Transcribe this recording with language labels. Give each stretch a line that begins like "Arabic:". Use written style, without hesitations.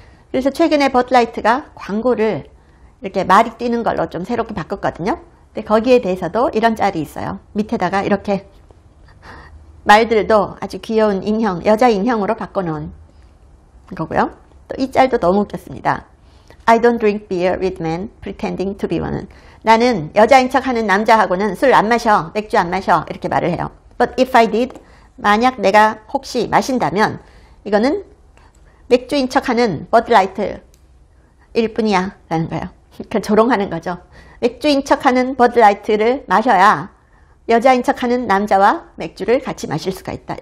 Korean: 그래서 최근에 버드라이트가 광고를 이렇게 말이 뛰는 걸로 좀 새롭게 바꿨거든요. 근데 거기에 대해서도 이런 짤이 있어요. 밑에다가 이렇게 말들도 아주 귀여운 인형, 여자 인형으로 바꿔놓은 거고요. 또 이 짤도 너무 웃겼습니다.
English: I don't drink beer with men pretending to be one.
Korean: 나는 여자인 척하는 남자하고는 술 안 마셔, 맥주 안 마셔 이렇게 말을 해요.
English: But if I did,
Korean: 만약 내가 혹시 마신다면 이거는 맥주인 척하는 Bud Light일 뿐이야 라는 거예요. 그러니까 조롱하는 거죠. 맥주인 척하는 Bud Light를 마셔야 여자인 척하는 남자와 맥주를 같이 마실 수가 있다.